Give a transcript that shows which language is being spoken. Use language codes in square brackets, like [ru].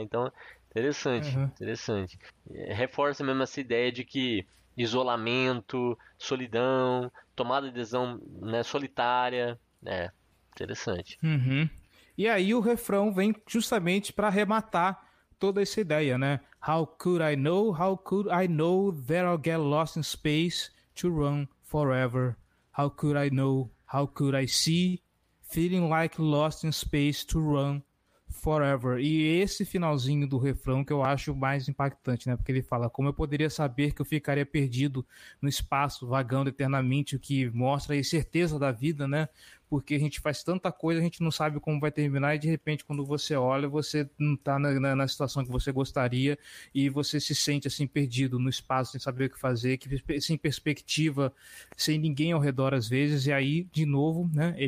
[pt] Então, interessante, interessante. Reforça mesmo essa ideia de que isolamento, solidão, tomada de decisão, né, solitária, né? Interessante. E aí o refrão vem justamente para arrematar toda essa ideia, né? [en] How could I know that I'll get lost in space to run forever? How could I know? How could I see? Feeling like lost in space to run forever. [pt] E esse finalzinho do refrão que eu acho mais impactante, né? Porque ele fala, como eu poderia saber que eu ficaria perdido no espaço, vagando eternamente, o que mostra a incerteza da vida, né? Porque a gente faz tanta coisa, a gente não sabe como vai terminar, e de repente, quando você olha, você não tá na situação que você gostaria, e você se sente assim perdido no espaço, sem saber o que fazer, que, sem perspectiva, sem ninguém ao redor às vezes. E aí, de novo, né?